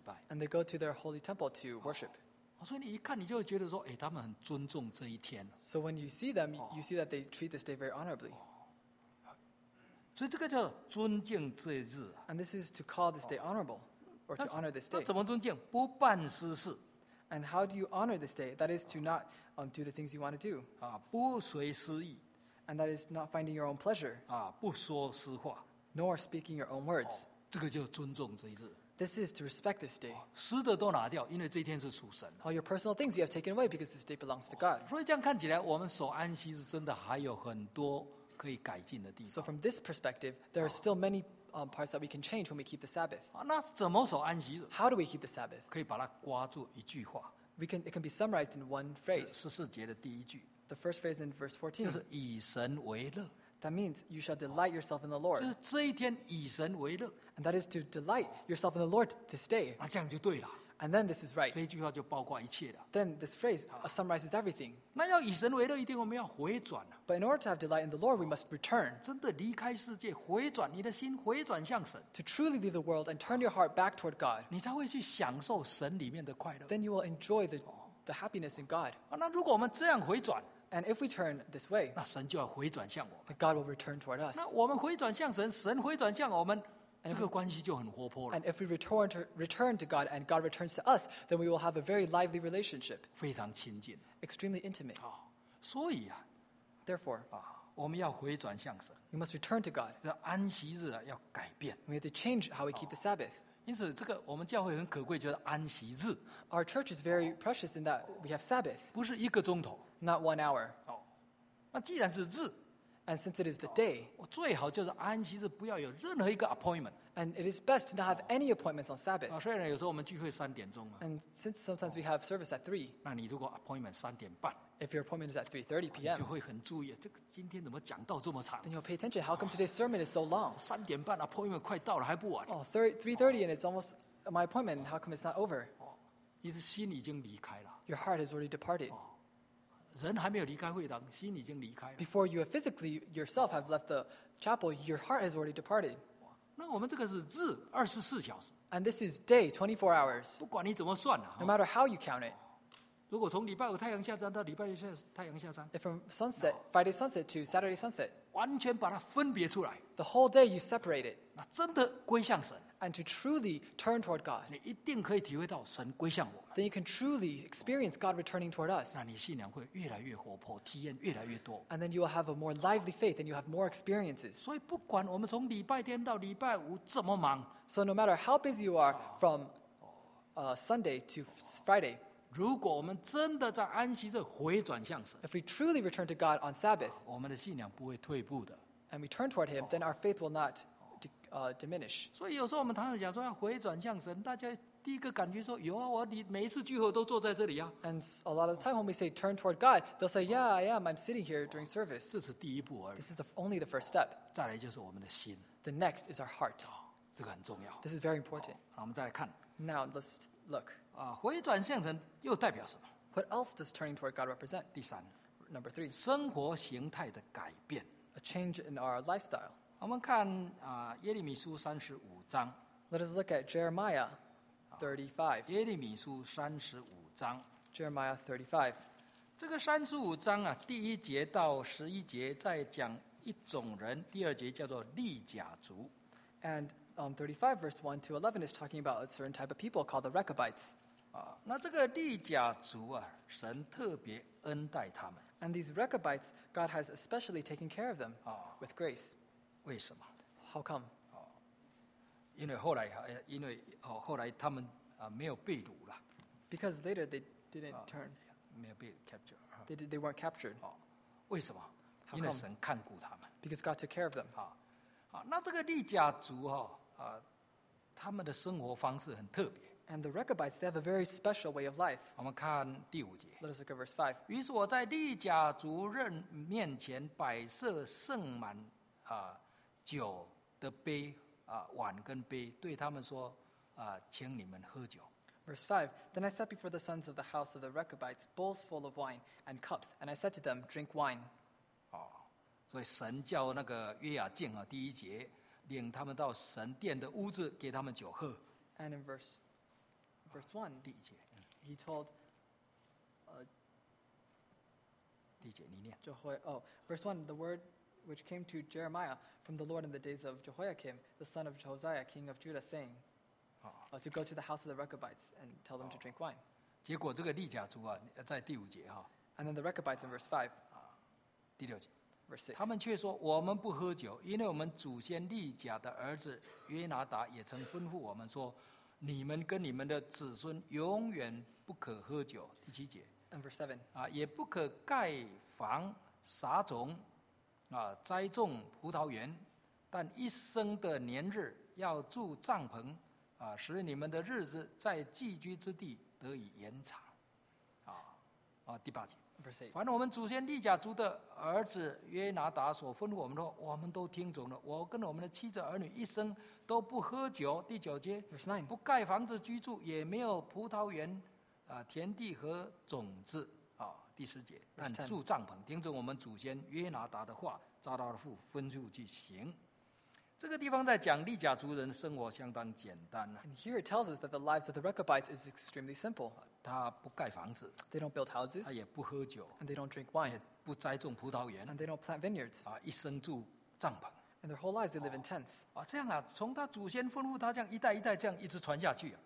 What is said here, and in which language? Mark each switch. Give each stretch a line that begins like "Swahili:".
English: And they go to their holy temple to worship.
Chinese: 所以你一看你就会觉得说, 诶, 他们很尊重这一天。
English: So when you see them, you see that they treat this day very honorably.
Chinese: 所以这个叫尊敬这日,
English: and this is to call this day honorable, or to honor this day.
Chinese: 那怎么尊敬?不办私事,
English: and how do you honor this day? That is to not do the things you want to do.
Chinese: 不随私意,
English: and that is not finding your own pleasure.
Chinese: 不说私话,
English: nor speaking your own words.
Chinese: 这个叫尊重这日,
English: this is to respect this day.
Chinese: 私的都拿掉, 因为这一天是属神,
English: all your personal things you have taken away because this day belongs to God.
Chinese: 所以这样看起来, 我们守安息日真的还有很多,
English: so from this perspective, there are still many parts that we can change when we keep the Sabbath.
Chinese: 那怎么守安息日?
English: How do we keep the Sabbath?
Chinese: 可以把它刮住一句话,
English: it can be summarized in one phrase.
Chinese: 14节的第一句,
English: the first phrase in verse 14.
Chinese: 就是以神为乐,
English: that means you shall delight yourself in the Lord.
Chinese: 就是这一天以神为乐,
English: and that is to delight yourself in the Lord this day.
Chinese: 那这样就对了,
English: and then this is right.
Chinese: 这一句话就包括一切的,
English: then this phrase summarizes everything.
Chinese: 那要以神为乐一定我们要回转,
English: but in order to have delight in the Lord, we must return.
Chinese: 真的离开世界, 回转, 你的心, 回转向神,
English: to truly leave the world and turn your heart back toward God.
Chinese: 你才会去享受神里面的快乐,
English: then you will enjoy the happiness in God.
Chinese: 那如果我们这样回转,
English: and if we turn this way,
Chinese: 那神就要回转向我们,
English: then God will return toward us.
Chinese: 那我们回转向神, 神回转向我们,
English: and if we return to God and God returns to us, then we will have a very lively relationship.
Chinese: 非常亲近,
English: extremely intimate.
Chinese: 所以啊,
English: therefore,
Chinese: 我们要回转向神,
English: we must return to God.
Chinese: 安息日啊,要改变,
English: we have to change how we keep the Sabbath.
Chinese: 因此这个我们教会很可贵就是安息日,
English: our church is very precious in that we have Sabbath.
Chinese: 不是一个钟头,
English: not 1 hour.
Chinese: 那既然是日,
English: and since it is the day,
Chinese: 最好就是安息日不要有任何一个 appointment,
English: And it is best to not have any appointments on Sabbath.
Chinese: 虽然有时候我们聚会三点钟嘛。
English: And since sometimes we have service at 3.
Chinese: 那你如果 appointment 三点半。
English: If your appointment is at 3:30 p.m.
Chinese: 你就会很注意，这个今天怎么讲到这么长？
English: Then you'll pay attention. How come today's sermon is so long?
Chinese: 三点半 appointment 快到了还不晚。
English: Oh, 3:30 and it's almost my appointment. How come it's not over?
Chinese: 你的心已经离开了。
English: Your heart has already departed.
Chinese: 人还没有离开会堂，心已经离开了。
English: Before you have physically yourself have left the chapel, your heart has already departed.
Chinese: 那我们这个是日二十四小时
English: ，and this is day 24 hours。
Chinese: 不管你怎么算了
English: ，no matter how you count it。
Chinese: 如果从礼拜五太阳下山到礼拜六太阳下山
English: ，if from sunset Friday sunset to Saturday sunset，
Chinese: 完全把它分别出来
English: ，the whole day you separate it，
Chinese: 那真的归向神
English: ，and to truly turn toward God，
Chinese: 你一定可以体会到神归向我们
English: ，then you can truly experience God returning toward us。
Chinese: 那你信仰会越来越活泼，体验越来越多
English: ，and then you will have a more lively faith and you have more experiences。
Chinese: 所以不管我们从礼拜天到礼拜五怎么忙
English: ，so no matter how busy you are from Sunday to Friday。
Chinese: 如果我们真的在安息日回转向神
English: ，If we truly return to God on Sabbath，
Chinese: 我们的信仰不会退步的
English: ，And we turn toward Him， then our faith will not diminish。
Chinese: 所以有时候我们常常讲说要回转向神，大家第一个感觉说有啊，我每一次聚会都坐在这里啊。
English: And a lot of the time when we say turn toward God， they'll say， Yeah， I am， I'm sitting here during service。
Chinese: 这是第一步而已。
English: This is only the first step。
Chinese: 再来就是我们的心。
English: The next is our heart。
Chinese: 这个很重要。
English: This is very important。
Chinese: 好，我们再来看。
English: Now let's look。
Chinese: 回转向神又代表什么
English: ？What else does turning toward God represent？
Chinese: 第三
English: ，Number three，
Chinese: 生活形态的改变
English: ，A change in our lifestyle。
Chinese: 我们看耶利米书三十五章。
English: Let us look at Jeremiah 35。
Chinese: 耶利米书三十五章
English: ，Jeremiah 35。
Chinese: 这个三十五章啊，第一节到十一节在讲一种人，第二节叫做利甲族。
English: And 35 verse 1 to 11 is talking about a certain type of people called the Rechabites.
Chinese: 那这个利甲族啊，神特别恩待他们。
English: And these Rechabites, God has especially taken care of them with grace.
Chinese: 为什么
English: ？How come？
Chinese: 因为后来他们没有被掳了。
English: Because later they didn't turn.
Chinese: 没有被 captured.
English: They weren't captured.
Chinese: 为什么
English: ？How come？
Chinese: 因为神看顾他们。
English: Because God took care of them.
Chinese: 那这个利甲族他们的生活方式很特别。
English: And the Rechabites, they have a very special way of life.
Chinese: 我们看第五节。
English: Let us look at verse 5.
Chinese: 于是我在利甲族人面前摆设盛满酒的杯碗跟杯，对他们说请你们喝酒。
English: Verse 5. Then I sat before the sons of the house of the Rechabites, bowls full of wine and cups, and I said to them, drink wine.
Chinese: 所以神叫那个约雅敬第一节领他们到神殿的屋子给他们酒喝。
English: And in verse 1,
Chinese: 第一节
English: he told,
Chinese: 第一节你念。
English: Verse 1, the word which came to Jeremiah from the Lord in the days of Jehoiakim, the son of Josiah, king of Judah, saying, to go to the house of the Rechabites and tell them to drink wine.
Chinese: 结果这个利甲族在第五节。
English: And then the Rechabites in verse 5,
Chinese: 第六节。他们却说我们不喝酒，因为我们祖先利甲的儿子约拿达也曾吩咐我们说，你们跟你们的子孙永远不可喝酒。第七节。
English: And verse seven.
Chinese: 也不可盖房撒种栽种葡萄园，但一生的年日要住帐篷使你们的日子在寄居之地得以延长。第八节。反正我们祖先利甲族的儿子约拿达所吩咐我们的话，我们都听从了。我跟我们的妻子儿女一生都不喝酒。第九节，不盖房子居住，也没有葡萄园、田地和种子。第十节，但住帐篷，听从我们祖先约拿达的话，照他的吩咐去行。这个地方在讲利甲族人生活相当简单。
English: And here it tells us that the lives of the Rechabites is extremely simple.
Chinese: 他不盖房子。
English: They don't build houses.
Chinese: 他也不喝酒。
English: And they don't drink wine.
Chinese: 也不栽种葡萄园。
English: And they don't plant vineyards.
Chinese: 一生住帐篷。
English: And their whole lives they live in tents.
Chinese: 这样从他祖先吩咐他这样一代一代这样一直传下去。